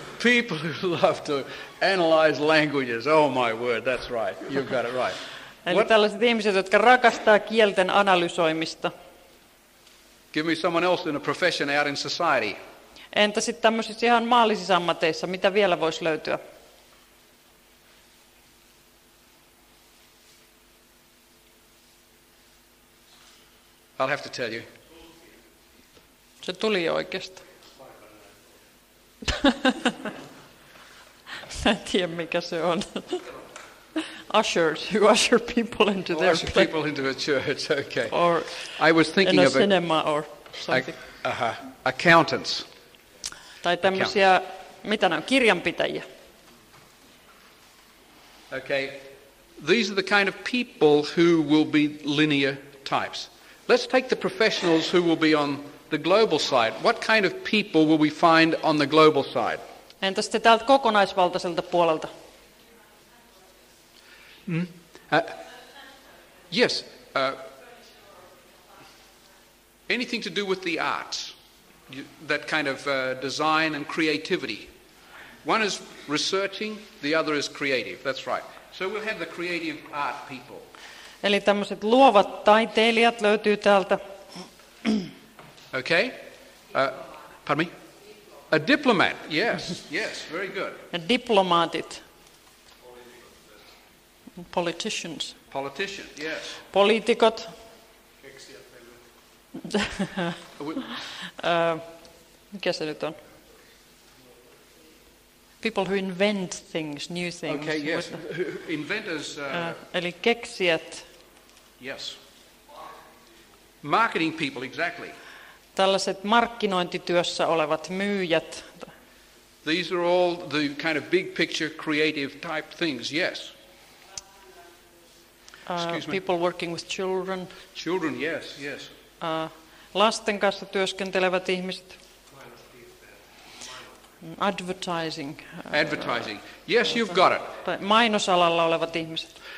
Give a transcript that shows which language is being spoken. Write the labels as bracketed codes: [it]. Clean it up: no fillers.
[en] People who love to analyze languages. Oh my word, that's right. You've got it right. Eli what? [fi] Tällaiset ihmiset, jotka rakastaa kielten analysoimista. [en] Give me someone else in a profession out in society. [fi] Entä sitten tämmöisissä ihan maallisissa ammateissa, mitä vielä voisi löytyä? [en] I'll have to tell you. [fi] Se tuli jo oikeasta. Mä en tiedä, mikä se on. [en] Ushers, who usher people into their usher people into a church, okay. Or I was thinking in a of cinema a, or something. Accountants. [fi] Tai tämmöisiä, mitä ne on, kirjanpitäjiä. [en] Okay, these are the kind of people who will be linear types. Let's take the professionals who will be on the global side. What kind of people will we find on the global side? [fi] Entä sitten täältä kokonaisvaltaiselta puolelta? [en] Anything to do with the arts, that kind of design and creativity. One is researching, the other is creative. That's right. So we'll have the creative art people. [fi] Eli tämmöiset luovat taiteilijat löytyy täältä. [en] Okay. Pardon me? A diplomat. Yes, yes, very good. [fi] Ja diplomaatit. [en] Politicians. Politician, yes. [fi] Poliitikot. mikä se nyt on? [en] People who invent things, new things. Okay, yes. The, inventors. [fi] Eli keksijät. [en] Yes. Marketing people, exactly. [fi] Tällaiset markkinointityössä olevat myyjät. [en] These are all the kind of big picture creative type things, yes. People working with children. Children, yes, yes. [fi] Lasten kanssa työskentelevät ihmiset. [en] Advertising. Advertising. Yes, you've got it. [fi] Mainosalalla olevat ihmiset.